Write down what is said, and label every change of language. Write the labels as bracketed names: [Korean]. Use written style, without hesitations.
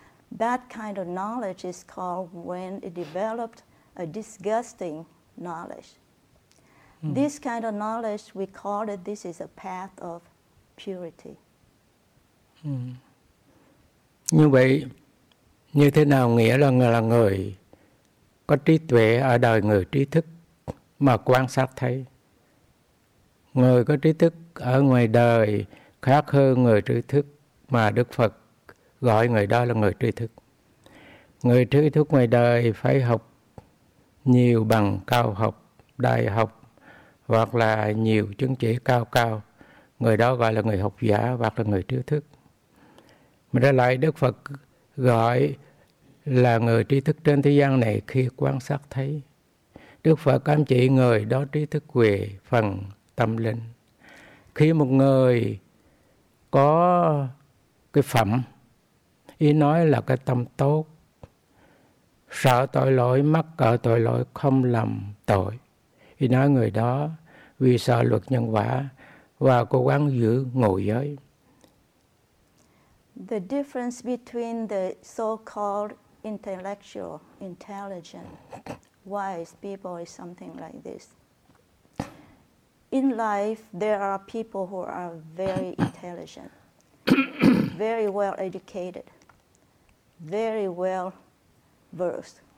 [English] That kind of knowledge is called, when it developed, a disgusting knowledge. This kind of knowledge, we call it, this is a path of purity. [Vietnamese] Như vậy, như thế nào nghĩa là người có trí tuệ ở đời người trí thức mà quan sát thấy? Người có trí thức ở ngoài đời khác hơn người trí thức mà Đức Phật gọi người đó là người trí thức. Người trí thức ngoài đời phải học nhiều bằng cao học, đại học hoặc là nhiều chứng chỉ cao cao. Người đó gọi là người học giả hoặc là người trí thức. Mà trở lại Đức Phật gọi là người trí thức trên thế gian này khi quan sát thấy. Đức Phật cám chỉ người đó trí thức về phần tâm linh. Khi một người có cái phẩm, ý nói là cái tâm tốt, sợ tội lỗi, mắc cỡ tội lỗi, không làm tội. Ý nói người đó vì sợ luật nhân quả và cố gắng giữ ngộ giới. [English] The difference between the so-called intellectual, intelligent, wise people is something like this. In life, there are people who are very intelligent, very well educated, very well versed.